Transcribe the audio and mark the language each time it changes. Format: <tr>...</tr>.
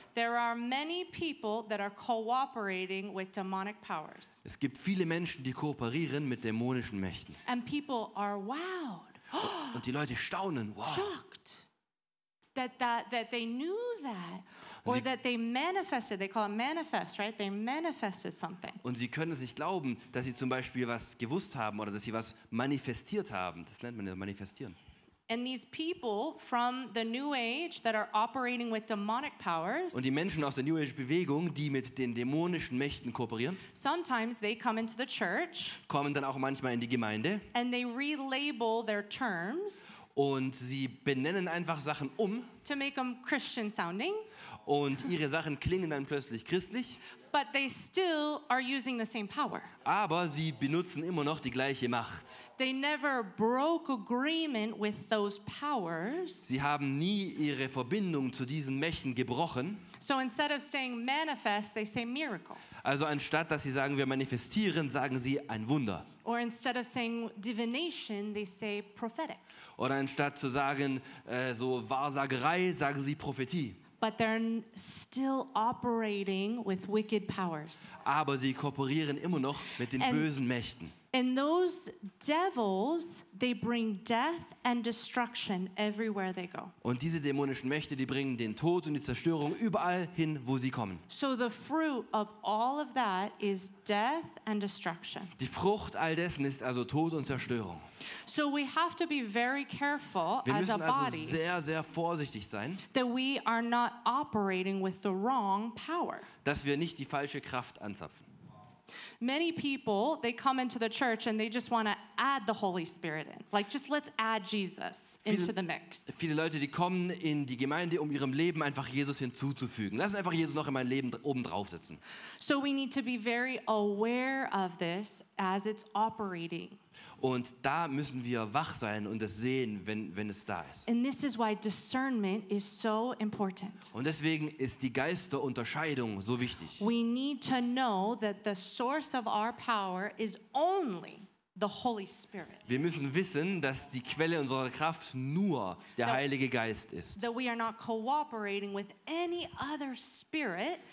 <en>There are many people that are cooperating with demonic powers.</en> <de>Es gibt viele Menschen, die kooperieren mit dämonischen Mächten.</de> <en>And people are wowed.</en> <de>Und die Leute staunen, wow.</de> <en>Shocked that they knew that. Or that they manifested, they call it manifest, right? They manifested something.</en> <de>Und sie können es nicht glauben, dass sie zum Beispiel was gewusst haben oder dass sie was manifestiert haben. Das nennt man ja manifestieren.</de> <en>And these people from the New Age that are operating with demonic powers.</en> <de>Und die Menschen aus der New Age Bewegung, die mit den dämonischen Mächten kooperieren.</de> <en>Sometimes they come into the church.</en> <de>Kommen dann auch manchmal in die Gemeinde.</de> <en>And they relabel their terms.</en> <de>Und sie benennen einfach Sachen um.</de> <en>To make them Christian sounding.</en> <de>Und ihre Sachen klingen dann plötzlich christlich.</de> <en>But they still are using the same power.</en> <de>Aber sie benutzen immer noch die gleiche Macht.</de> <en>They never broke agreement with those powers.</en> <de>Sie haben nie ihre Verbindung zu diesen Mächten gebrochen.</de> <en>So instead of saying manifest, they say miracle.</en> <de>Also anstatt dass sie sagen, wir manifestieren, sagen sie ein Wunder.</de> <en>Or instead of saying divination, they say prophetic.</en> <de>Oder anstatt zu sagen, so Wahrsagerei, sagen sie Prophetie.</de> <en>But they're still operating with wicked powers.</en> <de>Aber sie kooperieren immer noch mit den bösen Mächten.</de> <en>And those devils, they bring death and destruction everywhere they go.</en> <de>Und diese dämonischen Mächte, die bringen den Tod und die Zerstörung überall hin, wo sie kommen.</de> <en>So the fruit of all of that is death and destruction.</en> <de>Die Frucht all dessen ist also Tod und Zerstörung.</de> <en>So we have to be very careful</en> <de>wir</de> <en>as a</en> <de>also</de> <en>body.</en> <de>Sehr, sehr vorsichtig sein,</de> <en>that we are not operating with the wrong power.</en> <de>Dass wir nicht die falsche Kraft anzapfen.</de> <en>Many people, they come into the church and they just want to add the Holy Spirit in. Like, just let's add Jesus into the mix.</en> <de>Viele Leute, die kommen in die Gemeinde, um ihrem Leben einfach Jesus hinzuzufügen. Lass einfach Jesus noch in mein Leben oben drauf sitzen.</de> <en>So we need to be very aware of this as it's operating.</en> <de>Und da müssen wir wach sein und es sehen, wenn es da ist.</de> <en>And this is why discernment is so important.</en> <de>Und deswegen ist die Geisterunterscheidung so wichtig.</de> <en>We need to know that the source of our power is only the Holy Spirit.</en> <de>Wir müssen wissen, dass die Quelle unserer Kraft nur der Heilige Geist ist.</de> <en>That we are not cooperating with any other spirit.</en>